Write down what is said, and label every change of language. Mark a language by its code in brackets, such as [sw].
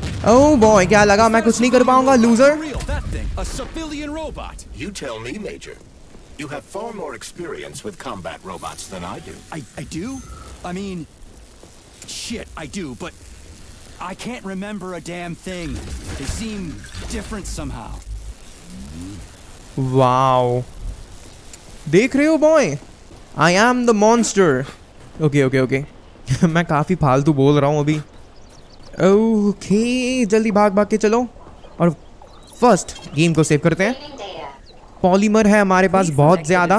[hi] Oh boy, क्या लगा मैं कुछ नहीं कर पाऊंगा loser? [en] A civilian robot. You tell me, Major. You have far more experience with combat robots than I do. I do? I mean, shit, I do, but I can't remember a damn thing. They seem different somehow. Wow. [hi] देख रहे हो boy? [en] I am the monster. Okay. [hi] मैं काफी फालतू बोल रहा हूँ अभी. Okay, जल्दी भाग के चलो. और फर्स्ट गेम को सेव करते हैं. पॉलीमर है हमारे पास बहुत ज़्यादा.